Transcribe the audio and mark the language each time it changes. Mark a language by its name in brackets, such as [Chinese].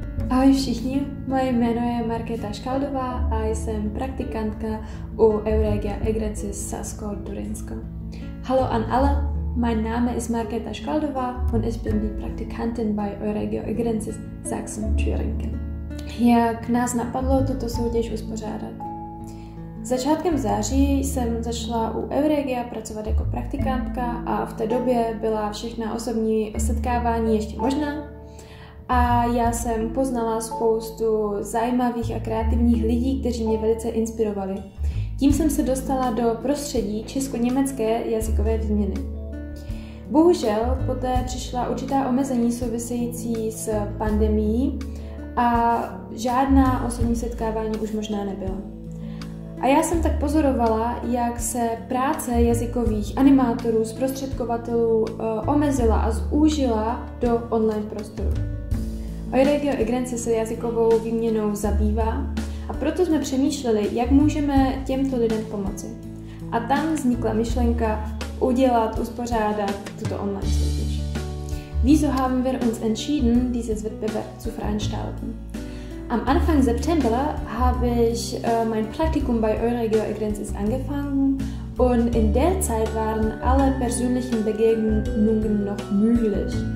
[Czech] Ahoj všichni, moje jméno je Markéta Škaldová a jsem praktikantka u Euregia Egrecis Sasko Durinsko. [German] Hallo an alle, mein Name ist Markéta Škaldová und ich bin die Praktikantin bei Euregia Egrecis Sachsen Thüringen. [Czech] Jak nás napadlo tuto soutěž uspořádat? Začátkem září jsem začala u Euregia pracovat jako praktikantka a v té době byla všechna osobní setkávání ještě možná. A já jsem poznala spoustu zajímavých a kreativních lidí, kteří mě velice inspirovali. Tím jsem se dostala do prostředí česko-německé jazykové výměny. Bohužel poté přišla určitá omezení související s pandemií a žádná osobní setkávání už možná nebyla. A já jsem tak pozorovala, jak se práce jazykových animátorů, zprostředkovatelů omezila a zúžila do online prostoru. Euregio Egrecis se jazykovou výměnou zabývá a proto jsme přemýšleli, jak můžeme těmto lidem pomoci. A tam vznikla myšlenka udělat, uspořádat tuto online soutěž. [German] Wieso haben wir uns entschieden, dieses Wettbewerb zu veranstalten? Am Anfang September habe ich mein Praktikum bei Euregio Egrecis angefangen und in der Zeit waren alle persönlichen Begegnungen noch möglich.